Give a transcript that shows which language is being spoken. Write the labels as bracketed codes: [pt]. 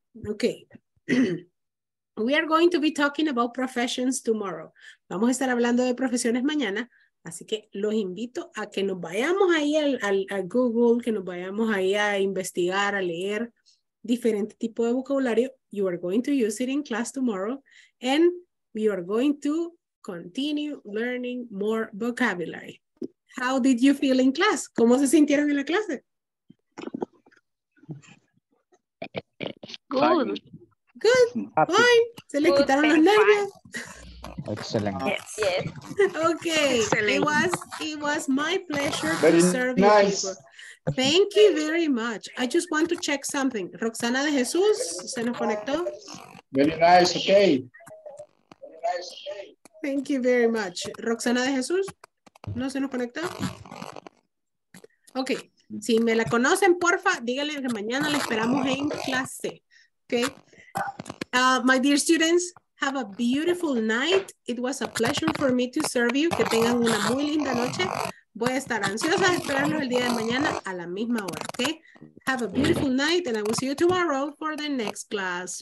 [en] Okay. We are going to be talking about professions tomorrow. [es] Vamos a estar hablando de profesiones mañana. Así que los invito a que nos vayamos ahí al Google, que nos vayamos ahí a investigar, a leer diferente tipo de vocabulario. [en] You are going to use it in class tomorrow. And you are going to continue learning more vocabulary. How did you feel in class? [es] ¿Cómo se sintieron en la clase? [en] Good. Good. Fine. [es] Se le quitaron los nervios. [en] Excellent. Yes. Yes. Okay. Excellent. It was my pleasure to serve you. Nice. Thank you very much. I just want to check something. Roxana de Jesús, [es] ¿se nos conectó? [en] Very nice. Okay. Very nice. Okay. Thank you very much. Roxana de Jesús, [es] ¿no se nos conectó? [en] Okay. [es] Si me la conocen, porfa, díganle que mañana la esperamos en clase. [en] Okay. My dear students, have a beautiful night. It was a pleasure for me to serve you. [es] Que tengan una muy linda noche. Voy a estar ansiosa de esperarlos el día de mañana a la misma hora, ¿ok? [en] Have a beautiful night and I will see you tomorrow for the next class.